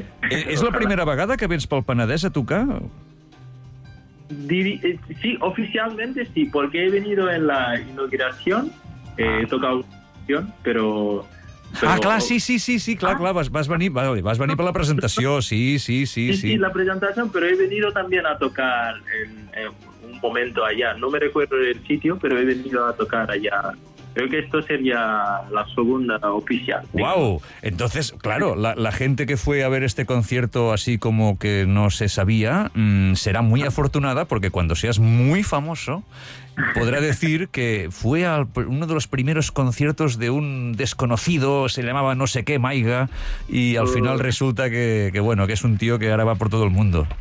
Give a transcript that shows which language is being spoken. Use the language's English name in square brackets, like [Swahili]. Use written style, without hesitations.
[Catalan] És la primera vegada que vens pel Penedès a tocar? [Spanish] Sí, oficialmente sí, porque he venido en la inauguración, he tocado canción, pero... [Catalan] Ah, clar, sí, clar, vas venir per la presentació, sí. La presentació, però [Spanish] he venido també a tocar en un moment allà. No me recuerdo el sitio, però he venido a tocar allà. Creo que esto sería la segunda oficial. ¿Sí? Wow. Entonces, claro, la gente que fue a ver este concierto así como que no se sabía, será muy afortunada porque cuando seas muy famoso podrá decir que fue a uno de los primeros conciertos de un desconocido, se llamaba no sé qué, Maiga, y al final resulta que bueno, que es un tío que ahora va por todo el mundo.